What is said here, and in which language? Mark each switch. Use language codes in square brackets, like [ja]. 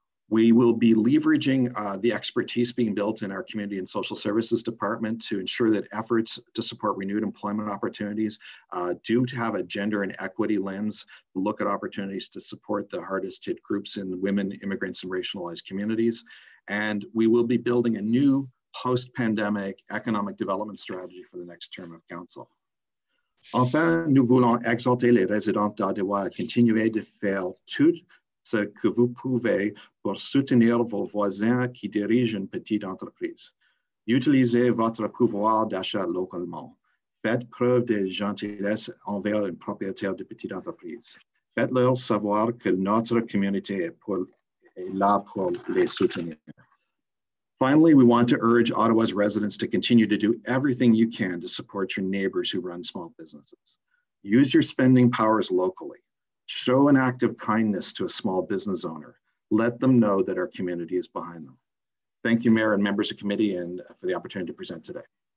[en] We will be leveraging the expertise being built in our Community and Social Services Department to ensure that efforts to support renewed employment opportunities do to have a gender and equity lens, look at opportunities to support the hardest hit groups in women, immigrants, and racialized communities. And we will be building a new post-pandemic economic development strategy for the next term of council. [fr] Enfin, nous voulons exhorter les résidents d'Ottawa à continuer de faire tout ce que vous pouvez pour soutenir vos voisins qui dirigent une petite entreprise. Utilisez votre pouvoir d'achat localement. Faites preuve de gentillesse envers un propriétaire de petite entreprise. Faites-leur savoir que notre communauté est là pour les soutenir. [en] Finally, we want to urge Ottawa's residents to continue to do everything you can to support your neighbors who run small businesses. Use your spending powers locally. Show an act of kindness to a small business owner. Let them know that our community is behind them. Thank you, Mayor and members of committee, and for the opportunity to present today.